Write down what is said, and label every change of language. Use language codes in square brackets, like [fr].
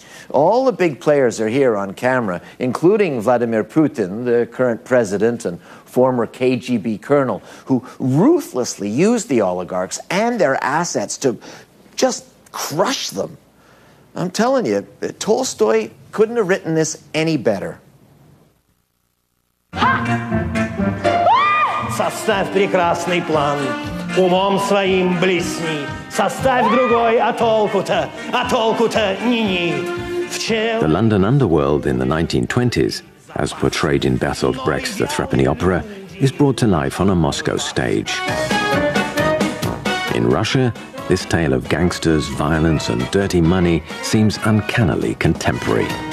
[en] All the big players are here on camera, including Vladimir Putin, the current president and former KGB colonel, who ruthlessly used the oligarchs and their assets to just crush them. I'm telling you, Tolstoy couldn't have written this any better. [ru] Составь прекрасный план, умом своим блесни. Составь другой, а толку-то ни-ни. [en] The London underworld in the 1920s, as portrayed in Bertolt Brecht's The Threepenny Opera, is brought to life on a Moscow stage. In Russia, this tale of gangsters, violence, and dirty money seems uncannily contemporary.